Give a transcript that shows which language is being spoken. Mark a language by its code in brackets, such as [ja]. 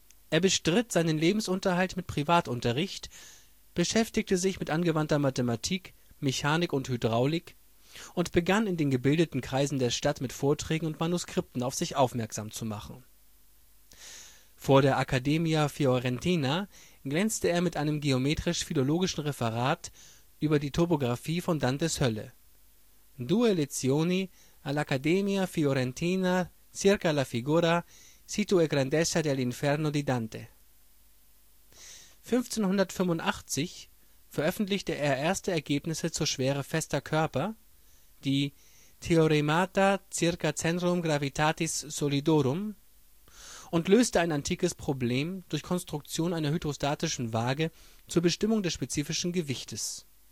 [de] Er bestritt seinen Lebensunterhalt mit Privatunterricht, beschäftigte sich mit angewandter Mathematik, Mechanik und Hydraulik und begann in den gebildeten Kreisen der Stadt mit Vorträgen und Manuskripten auf sich aufmerksam zu machen. Vor der Accademia Fiorentina glänzte er mit einem geometrisch-philologischen Referat über die Topographie von Dantes Hölle. [it] Due lezioni all'Accademia Fiorentina circa la figura situ e grandezza dell'inferno di Dante. [de] 1585 veröffentlichte er erste Ergebnisse zur Schwere fester Körper, die Theoremata circa centrum gravitatis solidorum, und löste ein antikes Problem durch Konstruktion einer hydrostatischen Waage zur Bestimmung des spezifischen Gewichtes.